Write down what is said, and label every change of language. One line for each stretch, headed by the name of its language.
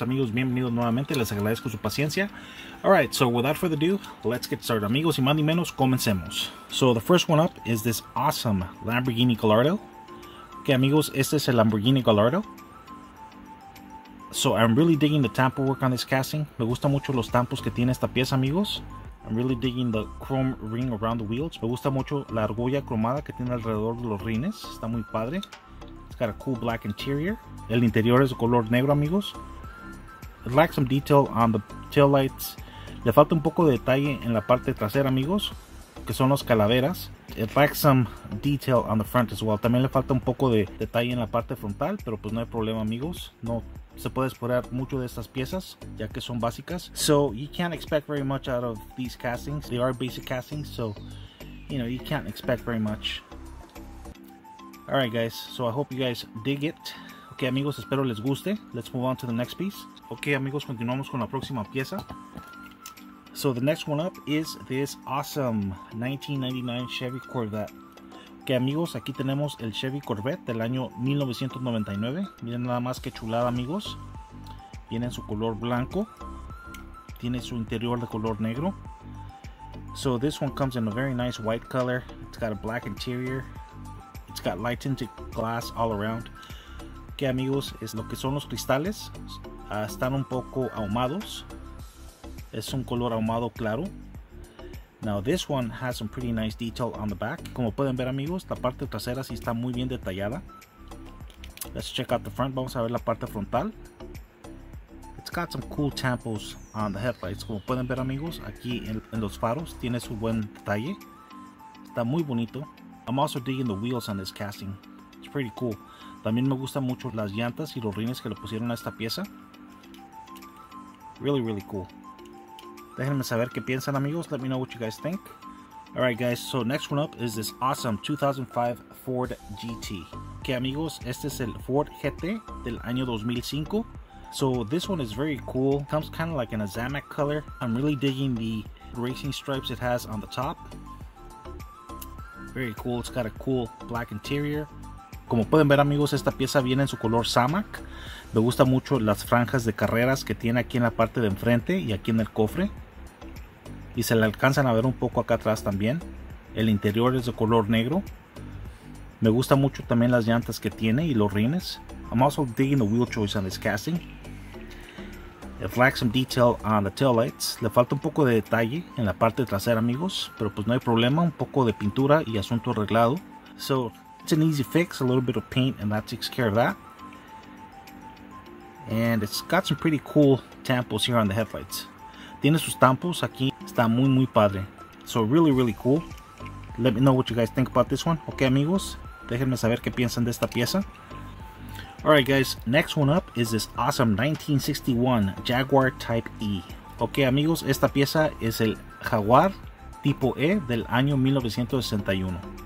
Spanish: Amigos, bienvenidos nuevamente. Les agradezco su paciencia.
English: Alright, so without further ado, let's get started.
Spanish: Amigos, y más ni menos, comencemos.
English: So the first one up is this awesome Lamborghini Gallardo.
Spanish: Okay, amigos, este es el Lamborghini Gallardo.
English: So I'm really digging the tampo work on this casting.
Spanish: Me gusta mucho los tampos que tiene esta pieza, amigos.
English: I'm really digging the chrome ring around the wheels.
Spanish: Me gusta mucho la argolla cromada que tiene alrededor de los rines. Está muy padre.
English: It's got a cool black interior.
Spanish: El interior es de color negro, amigos.
English: It lacks some detail on the tail lights.
Spanish: Le falta un poco de detalle en la parte trasera, amigos, que son las calaveras.
English: It lacks some detail on the front as well.
Spanish: También le falta un poco de detalle en la parte frontal, pero pues no hay problema, amigos. No se puede explorar mucho de estas piezas, ya que son básicas.
English: So you can't expect very much out of these castings. They are basic castings, so you know you can't expect very much. All right, guys. So I hope you guys dig it.
Spanish: Okay, amigos, espero les guste.
English: Let's move on to the next piece.
Spanish: Okay, amigos, continuamos con la próxima pieza.
English: So the next one up is this awesome 1999 Chevy Corvette.
Spanish: Okay, amigos, aquí tenemos el Chevy Corvette del año 1999. Miren nada más que chulada, amigos. Viene en su color blanco. Tiene su interior de color negro.
English: So this one comes in a very nice white color. It's got a black interior. It's got light tinted glass all around.
Spanish: Okay, amigos, es lo que son los cristales, están un poco ahumados, es un color ahumado claro.
English: Now this one has some pretty nice detail on the back.
Spanish: Como pueden ver, amigos, la parte trasera sí está muy bien detallada.
English: Let's check out the front.
Spanish: Vamos a ver la parte frontal.
English: It's got some cool tampos on the headlights.
Spanish: Como pueden ver, amigos, aquí en los faros tiene su buen detalle. Está muy bonito.
English: I'm also digging the wheels on this casting. It's pretty cool.
Spanish: También me gustan mucho las llantas y los rines que le pusieron a esta pieza.
English: Really, really cool.
Spanish: Déjenme saber qué piensan, amigos.
English: Let me know what you guys think. All right, guys. So next one up is this awesome 2005 Ford GT.
Spanish: Okay, amigos, este es el Ford GT del año 2005.
English: So this one is very cool. Comes kind of like in a Zamac color. I'm really digging the racing stripes it has on the top. Very cool. It's got a cool black interior.
Spanish: Como pueden ver, amigos, esta pieza viene en su color Zamac. Me gusta mucho las franjas de carreras que tiene aquí en la parte de enfrente y aquí en el cofre. Y se le alcanzan a ver un poco acá atrás también. El interior es de color negro. Me gusta mucho también las llantas que tiene y los rines.
English: I'm also digging the wheel choice on this casting. It lacks some detail on the tail lights.
Spanish: Le falta un poco de detalle en la parte trasera, amigos. Pero pues no hay problema. Un poco de pintura y asunto arreglado.
English: So it's an easy fix, a little bit of paint, and that takes care of that. And it's got some pretty cool tampos here on the headlights.
Spanish: Tiene sus tampos aquí. Está muy, muy padre.
English: So really, really cool. Let me know what you guys think about this one.
Spanish: Okay, amigos, déjenme saber qué piensan de esta pieza.
English: All right, guys, next one up is this awesome 1961 Jaguar Type E.
Spanish: Okay, amigos, esta pieza es el Jaguar Tipo E del año 1961.